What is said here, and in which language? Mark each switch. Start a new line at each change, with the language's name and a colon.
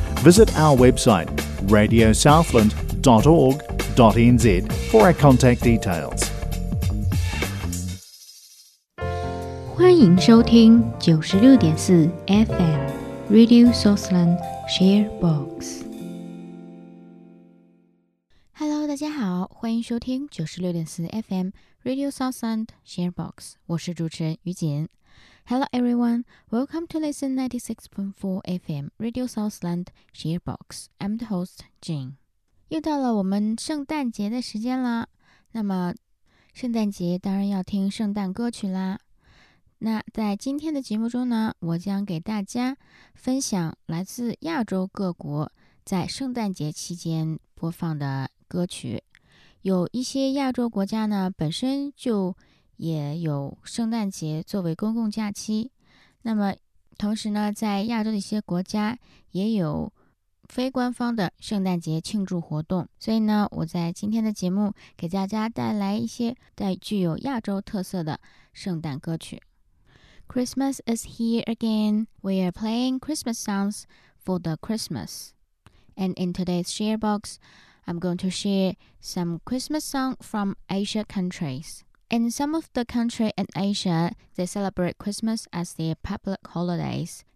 English: Visit our website, radiosouthland.org.nz, for our contact details.
Chinese: 欢迎收听 96.4 FM Radio Southland Sharebox。 Hello， 大家好，欢迎收听 96.4 FM Radio Southland Sharebox， 我是主持人于锦。
English: Hello everyone, welcome to listen 96.4 FM Radio Southland Sharebox. I'm the host, Jin。
Chinese: 又到了我们圣诞节的时间啦，那么圣诞节当然要听圣诞歌曲啦。那在今天的节目中呢，我将给大家分享来自亚洲各国在圣诞节期间播放的歌曲。有一些亚洲国家呢，本身就也有圣诞节作为公共假期。那么同时呢，在亚洲的一些国家也有非官方的圣诞节庆祝活动。所以呢，我在今天的节目给大家带来一些带具有亚洲特色的圣诞歌曲。
English: Christmas is here again. We are playing Christmas songs for the Christmas. And in today's share box, I'm going to share some Christmas songs from Asia countries. In some of the countries in Asia, they celebrate Christmas as their public holidays.